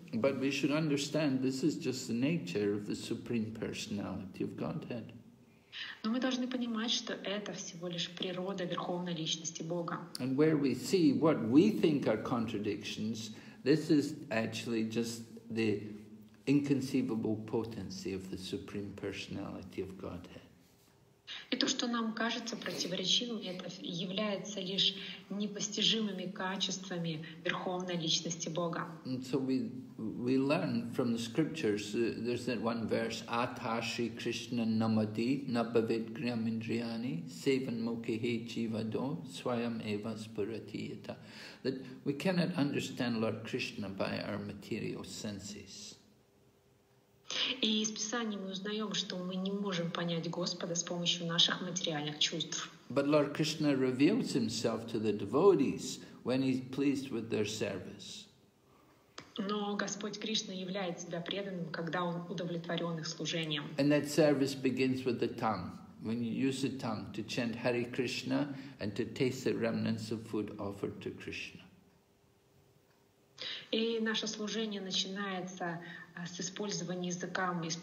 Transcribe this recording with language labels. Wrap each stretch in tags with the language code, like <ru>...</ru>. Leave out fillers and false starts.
<en>But we should understand this is just the nature of the Supreme Personality of Godhead.</en> <ru>Но мы должны понимать, что это всего лишь природа Верховной Личности Бога.</ru> <en>And where we see what we think are contradictions, this is actually just the inconceivable potency of the Supreme Personality of Godhead.</en> <ru>И то, что нам кажется противоречивым, это является лишь непостижимыми качествами Верховной Личности Бога.</ru> <en>And so we learn from the scriptures, there's that one verse,</en> <sa>Atha Shri Krishna Namadi Nabhavidgriyam Indriyani Sevan Mukhihi Jivado Swayam Eva Spuratiyata.</sa> <en>That we cannot understand Lord Krishna by our material senses.</en> <ru>И из Писания мы узнаем, что мы не можем понять Господа с помощью наших материальных чувств.</ru> <en>But Lord Krishna reveals himself to the devotees when he's pleased with their service.</en> <ru>Но Господь Кришна являет себя преданным, когда он удовлетворен их служением.</ru> <en>And that service begins with the tongue. When you use the tongue to chant Hare Krishna and to taste the remnants of food offered to Krishna.</en> <ru>И наше служение начинается с использования языка.</ru>